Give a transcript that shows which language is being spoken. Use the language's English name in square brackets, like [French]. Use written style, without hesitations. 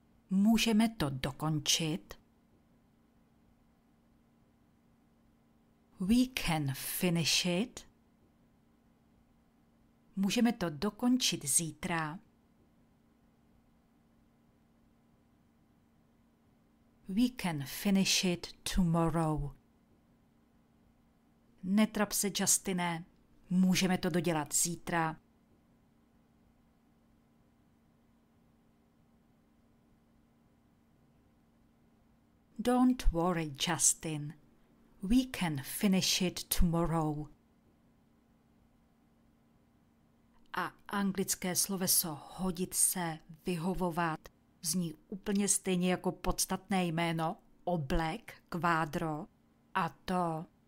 [Czech] Můžeme to dokončit? [English] We can finish it. [Czech] Můžeme to dokončit zítra. [English] We can finish it tomorrow. [Czech] Netrap se, Justine. Můžeme to dodělat zítra. [English] Don't worry, Justin. We can finish it tomorrow. [Czech] A anglické sloveso hodit se, vyhovovat, zní úplně stejně jako podstatné jméno oblek, kvádro, a to